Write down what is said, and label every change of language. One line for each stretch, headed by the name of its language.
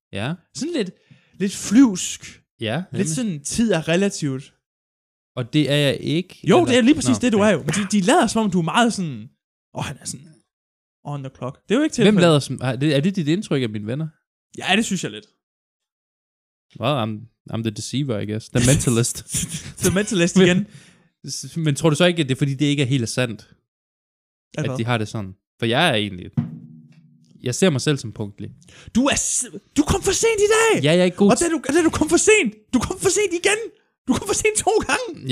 Danish: Ja. Sådan lidt flyvsk. Ja. Nemlig. Lidt sådan, tid er relativt. Og det er jeg ikke. Jo, eller? Det er lige præcis det, du er jo. Men de lader som om, du er meget sådan, han er sådan
English: on the clock.
Danish: Det er jo ikke tilfældet. Hvem lader som, er det dit indtryk af mine venner? Ja, det synes jeg lidt.
English: Well, I'm the deceiver, I guess. The mentalist.
Danish: The mentalist igen. Men tror du så ikke, at det er fordi, det ikke er helt sandt? At de har det sådan? For jeg er egentlig... Jeg ser mig selv som punktlig. Du kom for sent i dag. Ja, jeg er ikke god. Og da du kom for sent. Du kom for sent igen. Du kom for sent 2 gange.